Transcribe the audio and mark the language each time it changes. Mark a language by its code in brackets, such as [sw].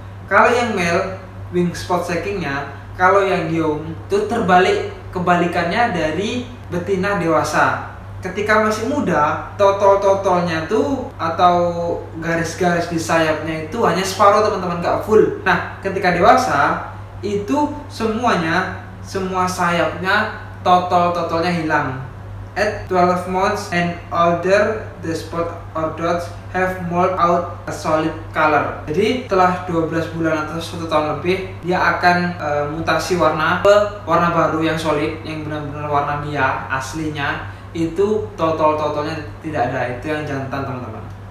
[id] Kalau yang male, wing spot sacking-nya, kalau yang young itu terbalik, kebalikannya dari betina dewasa. Ketika masih muda, totol-totolnya tuh atau garis-garis di sayapnya itu hanya separuh, teman-teman, gak full. Nah, ketika dewasa itu semuanya, semua sayapnya, totol-totolnya hilang. [en] At 12 months and older, the spot or dots have molted out a solid color. [id] Jadi setelah 12 bulan atau 1 tahun lebih, dia akan mutasi warna ke warna baru yang solid, yang benar-benar warna dia aslinya. Itu totol-totolnya tidak ada. Itu yang jantan, teman-teman.